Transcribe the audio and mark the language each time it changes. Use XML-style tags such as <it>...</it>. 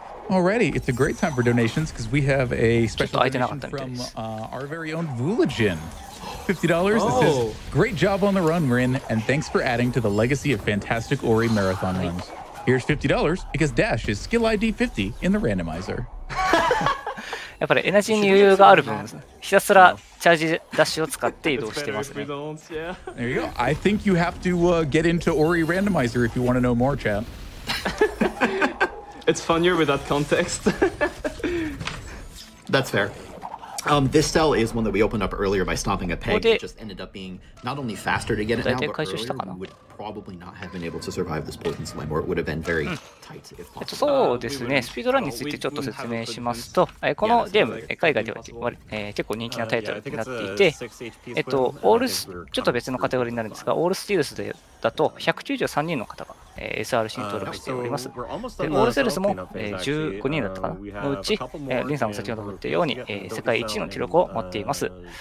<en>Alrighty, it's a great time for donations because we have a special donation from our very own Vulagin. $50. This is great job on the run, Rin, and thanks for adding to the legacy of fantastic Ori marathon runs. Here's $50 because Dash is skill ID 50 in the randomizer.</en> <ja>やっぱりエナジーに余裕がある分、ひたすらチャージダッシュを使って移動してますね。</ja> <en>There you go. I think you have to get into Ori Randomizer if you want to know more, chat. It's funnier with that context. That's fair. This cell is one that we opened up earlier by stomping a peg. It just ended up being not only faster to get it now, but earlier we would probably not have been able to survive this poison slime, or it would have been very tight if possible.</en> <ja>そうですね。スピードランについてちょっと説明しますと、このゲーム、海外では結構人気なタイトルになっていて、ちょっと別のカテゴリーになるんですが、オールスティルスで、だと193人の方が SRC に登録しております。でオールセルスも15人だったかな。のうち、リンさんも先ほども言ったように、世界一の記録を持っています。</ja>